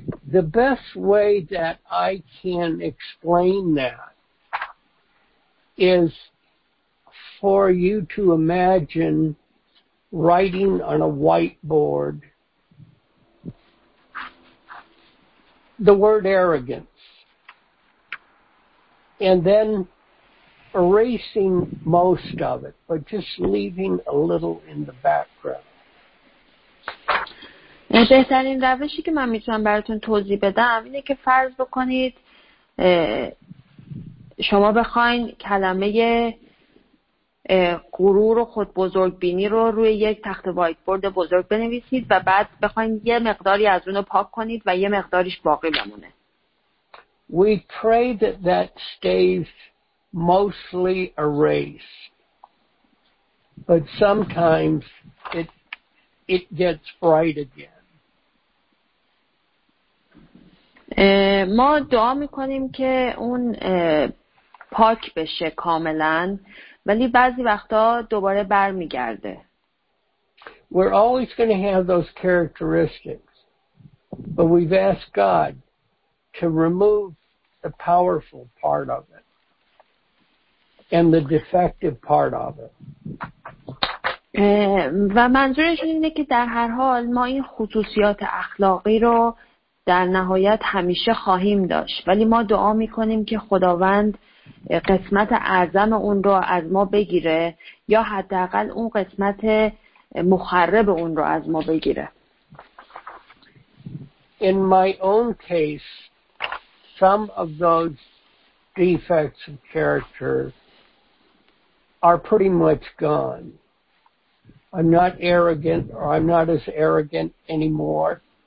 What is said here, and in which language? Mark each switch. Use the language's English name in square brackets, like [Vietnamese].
[English] The best way that I can explain that is for you to imagine writing on a whiteboard the word arrogance and then erasing most of it but just leaving a little in the background. [Persian] بهترین روشی که من میتونم براتون توضیح بدم اینه که فرض بکنید شما بخواین کلمه غرور و خود بزرگ بینی رو روی یک تخت وایت بورد بزرگ بنویسید و بعد بخواین یه مقداری از اون رو پاک کنید و یه مقداریش باقی بمونه. [English] We pray that that stays mostly erased, but sometimes it gets bright again. [Persian] ما دعا میکنیم که اون پاک بشه کاملاً ولی بعضی وقتا دوباره بر میگرده. [English] We're always going to have those characteristics, but we've asked God to remove the powerful part of it and the defective part of it. [Persian] و منظورش اینه که در هر حال ما این خصوصیات اخلاقی رو در نهایت همیشه خواهیم داشت ولی ما دعا میکنیم که خداوند قسمت اعظم اون رو از ما بگیره یا حداقل اون قسمت مخرب اون رو از ما بگیره. [English] In my own case, some of those defects of character are pretty much gone. I'm not arrogant, or I'm not as arrogant anymore.